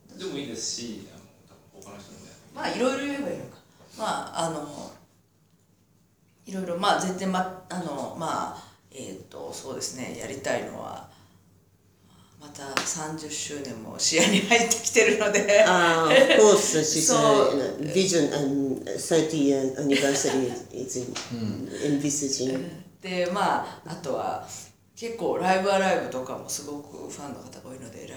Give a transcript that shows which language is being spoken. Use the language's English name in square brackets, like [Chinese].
[Japanese] でもいいですし、あの多分他の人もね。まあ、いろいろ言えばいいのか。まあ、あの、いろいろ、まあ、全然、ま、あの、まあ、そうですね、やりたいのは、また30周年も視野に入ってきてるので、 [English] あー、of course, she's vision and 30 year anniversary is envisaging. [Japanese] で、まあ、あとは結構ライブアライブとかもすごくファンの方が多いので、